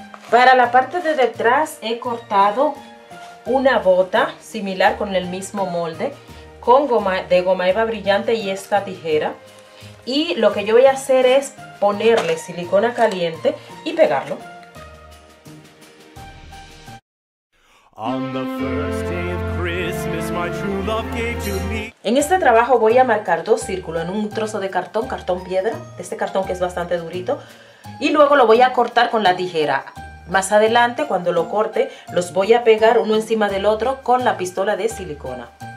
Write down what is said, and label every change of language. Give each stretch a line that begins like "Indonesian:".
Spanish: Para la parte de detrás he cortado una bota similar con el mismo molde con goma de goma eva brillante y esta tijera. Y lo que yo voy a hacer es ponerle silicona caliente y pegarlo.
English: On the first day of Christmas, my true love gave to me.
Spanish: En este trabajo voy a marcar 2 círculos en un trozo de cartón, cartón piedra, este cartón que es bastante durito, y luego lo voy a cortar con la tijera. Más adelante, cuando lo corte, los voy a pegar uno encima del otro con la pistola de silicona.